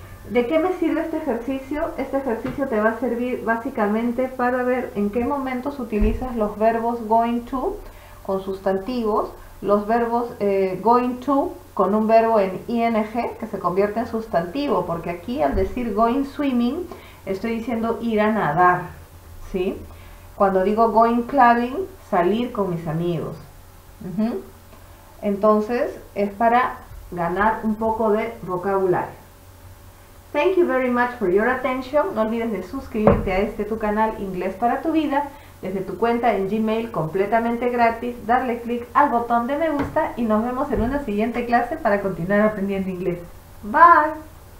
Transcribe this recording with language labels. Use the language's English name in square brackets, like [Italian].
[Spanish] ¿De qué me sirve este ejercicio? Este ejercicio te va a servir básicamente para ver en qué momentos utilizas los verbos going to con sustantivos, los verbos going to con un verbo en ing que se convierte en sustantivo, porque aquí al decir going swimming estoy diciendo ir a nadar, ¿sí? Cuando digo going clubbing, salir con mis amigos. Entonces, es para ganar un poco de vocabulario. [English] Thank you very much for your attention. [Spanish] No olvides de suscribirte a este tu canal Inglés para tu vida, desde tu cuenta en Gmail completamente gratis, darle clic al botón de me gusta y nos vemos en una siguiente clase para continuar aprendiendo inglés. [English] Bye!